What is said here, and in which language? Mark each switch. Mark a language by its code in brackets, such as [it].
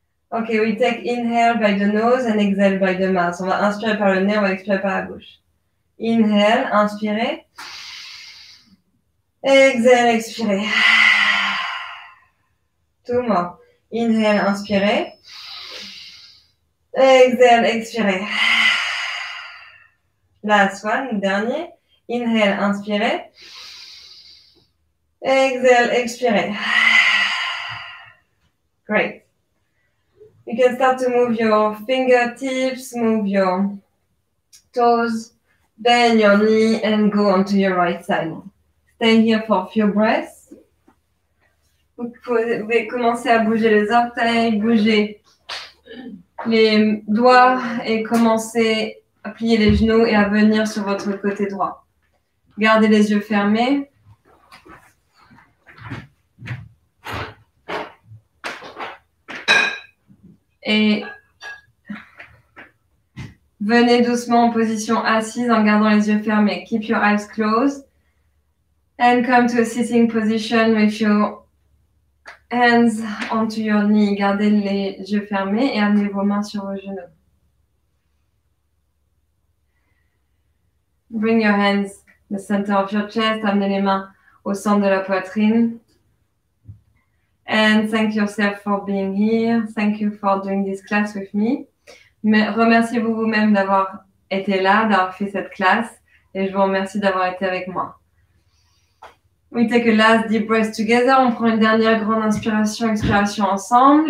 [en] Ok, we take inhale by the nose and exhale by the mouth. [fr] On va inspirer par le nez, on va expirer par la bouche. [en] Inhale, [fr] inspirez. [en] Exhale, [fr] expirez. [en] Two more. Inhale, [fr] inspirez. [en] Exhale, [fr] expirez. [en] Last one, [fr] dernier. [en] Inhale, [fr] inspirez. [en] Exhale, [fr] expirez. [en] Great. You can start to move your fingertips, move your toes, bend your knee and go onto your right side. Stay here for a few breaths. [fr] Vous pouvez commencer à bouger les orteils, bouger les doigts et commencer à plier les genoux et à venir sur votre côté droit. Gardez les yeux fermés. Et venez doucement en position assise en gardant les yeux fermés. [en] Keep your eyes closed. And come to a sitting position with your hands onto your knee. [fr] Gardez les yeux fermés et amenez vos mains sur vos genoux. [en] Bring your hands to the center of your chest. [fr] Amenez les mains au centre de la poitrine. [en] And thank yourself for being here. Thank you for doing this class with me. [fr] Remerciez-vous vous-même d'avoir été là, d'avoir fait cette classe. Et je vous remercie d'avoir été avec moi. [en] We take a last deep breath together. [fr] On prend une dernière grande inspiration, expiration ensemble.